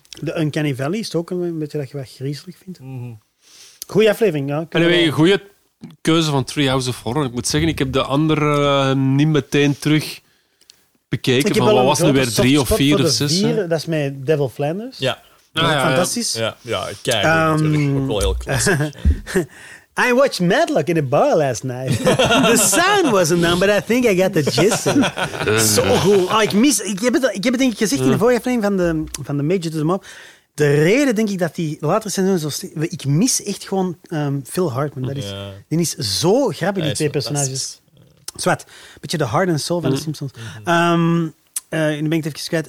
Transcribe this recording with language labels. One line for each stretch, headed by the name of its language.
Dutch: De uncanny valley is ook een beetje dat je wat griezelig vindt. Mm-hmm. Goeie aflevering, ja. En anyway, goede keuze van Treehouse of Horror. Ik moet zeggen, ik heb de andere niet meteen terug bekeken. Van, wat was er weer, 3 of 4 of 6? Dat is met Devil Flanders. Ja. Fantastisch. Ja, kijk, natuurlijk. Ook wel heel klassiek.
English: I watched Matlock in a bar last night. The sound wasn't on, but I think I got the gist.
Dutch: Zo goed. Oh, ik heb het denk ik gezegd in de vorige aflevering van de Major to the Mob. De reden, denk ik, dat die latere seizoenen zo... Ik mis echt gewoon Phil Hartman. Dat is, die is zo grappig, die twee personages. Zwat. Beetje de heart and soul van de Simpsons. Nu ben ik het even kwijt.